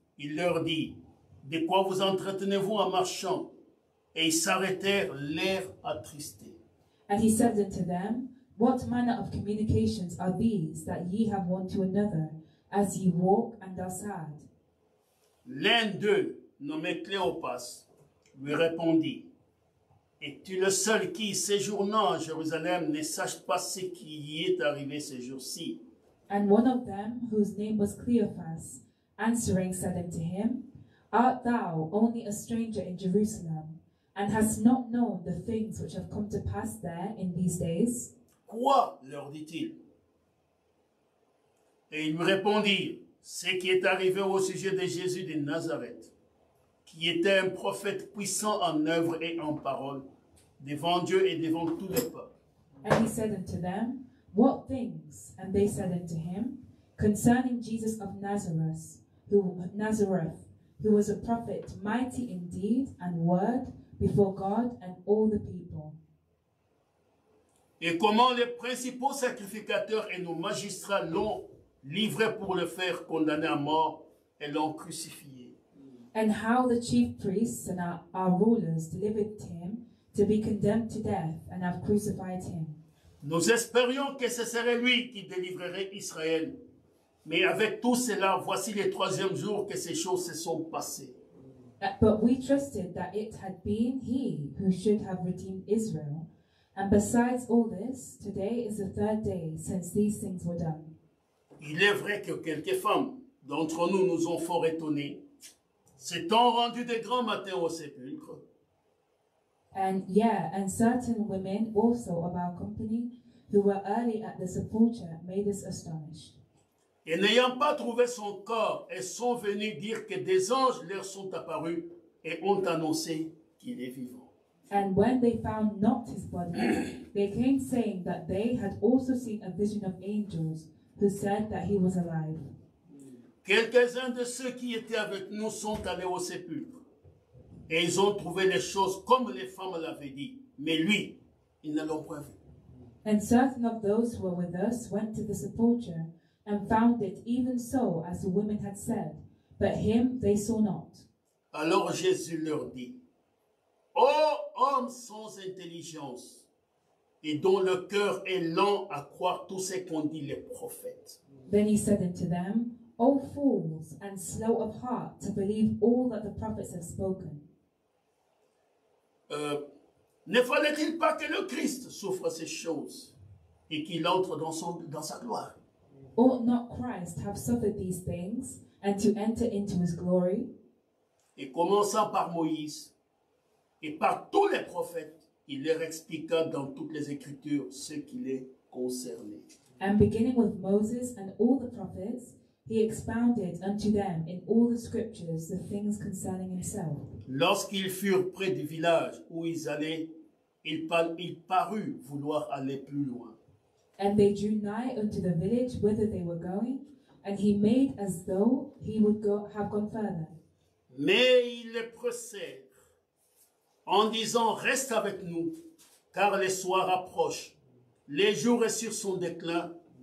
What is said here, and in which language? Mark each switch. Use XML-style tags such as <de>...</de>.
<fr>Il leur dit, de quoi vous entretenez-vous en marchant? Et ils s'arrêtèrent, l'air attristé.</fr> <en>And he said unto them, what manner of communications are these that ye have one to another, as ye walk and are sad?</en> <fr>L'un d'eux, nommé Cléopas, lui répondit, es-tu le seul qui, séjournant à Jérusalem, ne sache pas ce qui y est arrivé ces jours-ci?</fr> <en>And one of them, whose name was Cleophas, answering, said unto him, art thou only a stranger in Jerusalem? And hast not known the things which have come to pass there in these days?</en> <fr>Quoi, leur dit-il. Et ils lui répondirent, ce qui est arrivé au sujet de Jésus de Nazareth, qui était un prophète puissant en œuvre et en parole, devant Dieu et devant tout le peuple.</fr> <en>And he said unto them, what things? And they said unto him, concerning Jesus of Nazareth, who was a prophet mighty in deed and word, before God and all the people.</en> <fr>Et comment les principaux sacrificateurs et nos magistrats l'ont livré pour le faire condamner à mort et l'ont crucifié.</fr> <en>And how the chief priests and our rulers delivered him to be condemned to death and have crucified him.</en> <fr>Nous espérions que ce serait lui qui délivrerait Israël. Mais avec tout cela, voici le troisième jour que ces choses se sont passées.</fr> <en>But we trusted that it had been he who should have redeemed Israel. And besides all this, today is the third day since these things were done.</en> <fr>Il est vrai que quelques femmes d'entre nous nous ont fort étonnés, s'étant rendues de grand matin au sépulcre.</fr> <en>And certain women also of our company who were early at the sepulchre made us astonished.</en> <fr>Et n'ayant pas trouvé son corps, elles sont venues dire que des anges leur sont apparus et ont annoncé qu'il est vivant.</fr> <en>And when they found not his body, they came saying that they had also seen a vision of angels who said that he was alive.</en> <fr>Quelques-uns de ceux qui étaient avec nous sont allés au sépulcre. Et ils ont trouvé les choses comme les femmes l'avaient dit. Mais lui, ils ne l'ont point vu.</fr> <en>And certain of those who were with us went to the sepulchre and found it even so as the women had said, but him they saw not.</en> <fr>Alors Jésus leur dit, ô hommes sans intelligence, et dont le cœur est lent à croire tout ce qu'ont dit les prophètes.</fr> <en>Then he said unto them, O fools, and slow of heart, to believe all that the prophets have spoken.</en> <fr>Ne fallait-il pas que le Christ souffre ces choses et qu'il entre dans sa gloire?</fr> <en>Ought not Christ have suffered these things and to enter into his glory?</en> <fr>Et commençant par Moïse et par tous les prophètes, il leur expliqua dans toutes les Écritures ce qui les concernait.</fr> <en>And beginning with Moses and all the prophets, he expounded unto them in all the scriptures the things concerning himself.</en> <fr>Lorsqu'ils furent près du village où ils allaient, il parut vouloir aller plus loin.</fr> <en>And they drew nigh unto the village whither they were going, and he made as though he would have gone further.</en> <fr>Mais ils le pressèrent en disant, reste avec nous, car le soir approche, les jours sont sur son déclin.</fr>